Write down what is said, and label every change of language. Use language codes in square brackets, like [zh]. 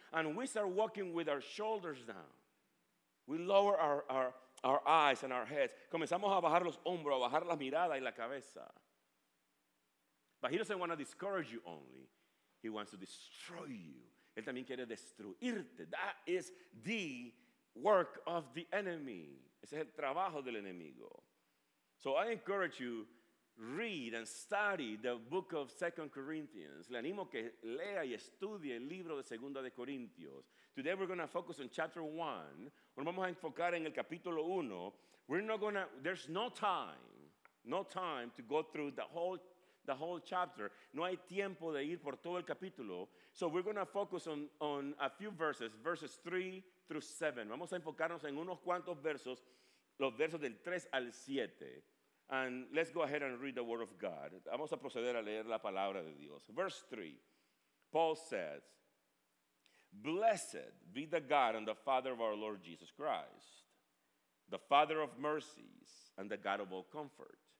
[en] And we start walking with our shoulders down. We lower our eyes and our heads. [es] Comenzamos a bajar los hombros, a bajar la mirada y la cabeza. [en] But he doesn't want to discourage you only. He wants to destroy you. [es] Él también quiere destruirte. [en] That is the work of the enemy. [es] Ese es el trabajo del enemigo. [en] So I encourage you read and study the book of 2 Corinthians. [es] Le animo que lea y estudie el libro de Segunda de Corintios. [en] Today we're going to focus on chapter 1. [es] Nos vamos a enfocar en el capítulo 1. [en] There's no time to go through the whole chapter. [es] No hay tiempo de ir por todo el capítulo. [en] So we're going to focus on a few verses, verses 3 through 7. [es] Vamos a enfocarnos en unos cuantos versos, los versos del 3 al 7. [en] And let's go ahead and read the word of God. [es] Vamos a proceder a leer la palabra de Dios. [en] Verse 3, Paul says, "Blessed be the God and the Father of our Lord Jesus Christ, the Father of mercies and the God of all comfort.